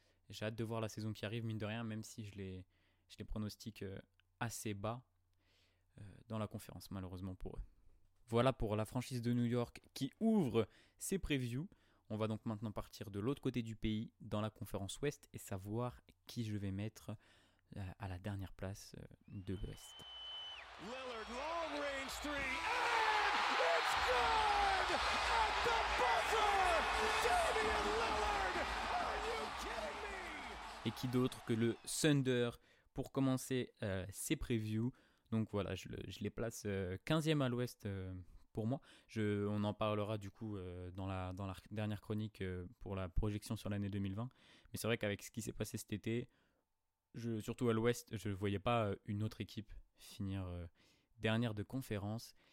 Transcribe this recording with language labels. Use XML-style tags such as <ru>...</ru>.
<fr>J'ai hâte de voir la saison qui arrive, mine de rien, même si je les pronostique assez bas dans la conférence, malheureusement pour eux. Voilà pour la franchise de New York qui ouvre ses previews. On va donc maintenant partir de l'autre côté du pays, dans la conférence Ouest, et savoir qui je vais mettre à la dernière place de l'Ouest.</fr> <en>Lillard, long range three, and it's good at the buzzer, Damian Lillard, are you kidding me?</en> <fr>Et qui d'autre que le Thunder pour commencer ses previews. Donc voilà, je les place 15e à l'Ouest. Pour moi, on en parlera du coup dans la dernière chronique pour la projection sur l'année 2020. Mais c'est vrai qu'avec ce qui s'est passé cet été, surtout à l'Ouest, je ne voyais pas une autre équipe finir dernière de conférence.</fr>